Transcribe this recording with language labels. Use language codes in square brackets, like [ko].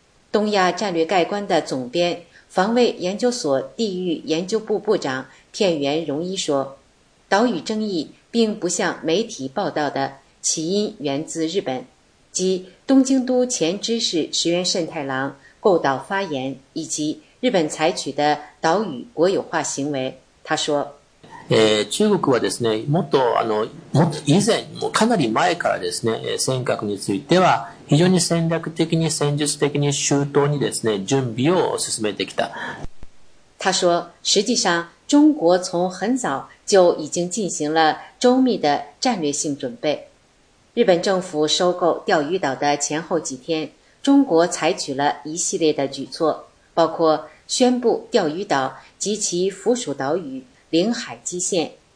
[zh] 东亚战略概观的总编、防卫研究所地域研究部部长片原荣一说，岛屿争议并不像媒体报道的，起因源自日本，即东京都前知事石原慎太郎构岛发言以及日本采取的岛屿国有化行为。他说， [ja] 中国はですね、もっとあのもっと以前もかなり前からですね、尖閣については非常に戦略的に戦術的に周到にですね、準備を進めてきた。 [zh] 他说，实际上中国从很早就已经进行了周密的战略性准备。日本政府收购钓鱼岛的前后几天，中国采取了一系列的举措，包括宣布钓鱼岛及其附属岛屿领海基线。